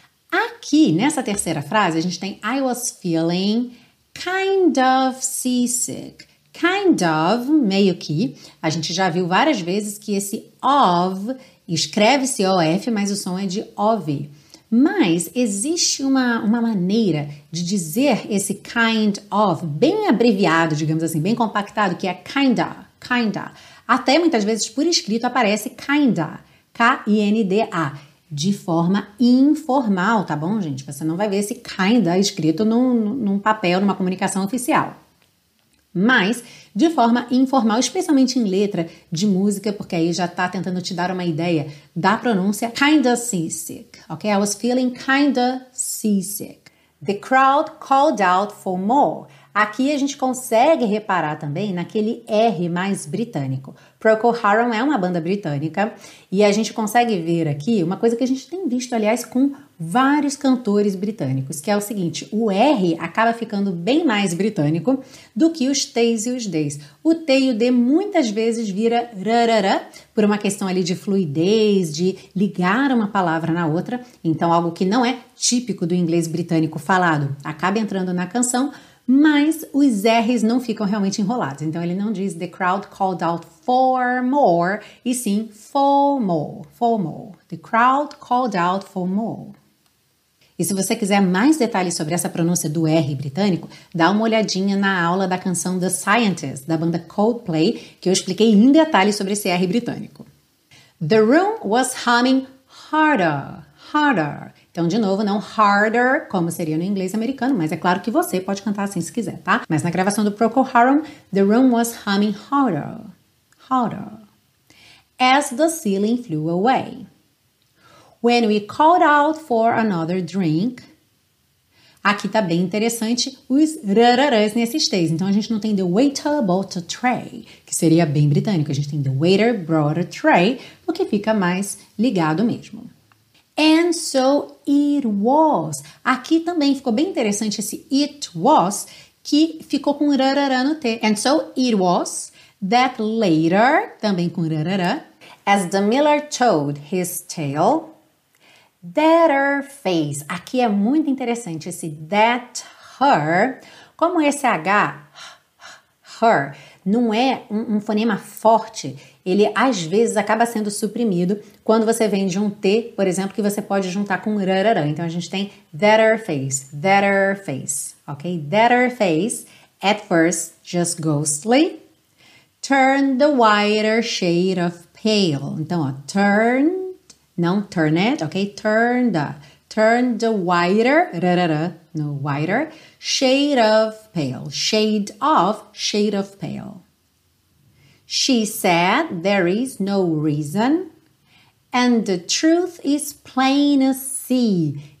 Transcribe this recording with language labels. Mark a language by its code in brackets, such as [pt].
[pt] Aqui, nessa terceira frase, a gente tem [en] I was feeling kind of seasick. Kind of, [pt] meio que. A gente já viu várias vezes que esse of escreve-se O-F, mas o som é de O-V. Mas existe uma maneira de dizer esse kind of bem abreviado, digamos assim, bem compactado, que é kinda, kinda. Até muitas vezes por escrito aparece kinda, K-I-N-D-A, de forma informal, tá bom, gente? Você não vai ver esse kinda escrito num papel, numa comunicação oficial. Mas, de forma informal, especialmente em letra de música, porque aí já tá tentando te dar uma ideia da pronúncia, kinda seasick, ok? [en] I was feeling kinda seasick. The crowd called out for more. [pt] Aqui a gente consegue reparar também naquele R mais britânico. Procol Harum é uma banda britânica e a gente consegue ver aqui uma coisa que a gente tem visto, aliás, com vários cantores britânicos, que é o seguinte, o R acaba ficando bem mais britânico do que os T's e os D's. O T e o D muitas vezes vira rarara, por uma questão ali de fluidez, de ligar uma palavra na outra, então algo que não é típico do inglês britânico falado, acaba entrando na canção, mas os R's não ficam realmente enrolados, então ele não diz [en] the crowd called out for more, [pt] e sim for more, for more. [en] The crowd called out for more. [pt] E se você quiser mais detalhes sobre essa pronúncia do R britânico, dá uma olhadinha na aula da canção The Scientist, da banda Coldplay, que eu expliquei em detalhes sobre esse R britânico. [en] The room was humming harder, harder. [pt] Então, de novo, não harder, como seria no inglês americano, mas é claro que você pode cantar assim se quiser, tá? Mas na gravação do [en] Procol Harum, the room was humming harder, harder. As the ceiling flew away. When we called out for another drink. [pt] Aqui tá bem interessante os rararãs nesses T's. Então a gente não tem [en] the waiter brought a tray, [pt] que seria bem britânico. A gente tem [en] the waiter brought a tray, [pt] o que fica mais ligado mesmo. [en] And so it was. [pt] Aqui também ficou bem interessante esse it was, que ficou com rararã no T. [en] And so it was that later, [pt] também com rararã. [en] As the miller told his tale. That her face. [pt] Aqui é muito interessante esse that her. Como esse H, her, não é um fonema forte, ele às vezes acaba sendo suprimido quando você vem de um T, por exemplo, que você pode juntar com rararã. Então a gente tem [en] that her face, [pt] ok? [en] That her face, at first just ghostly, turned the whiter shade of pale. [pt] Então, ó, turned, não turned, ok? [en] Turned, turned a whiter, no whiter, shade of pale, shade of pale. She said there is no reason and the truth is plain as sea.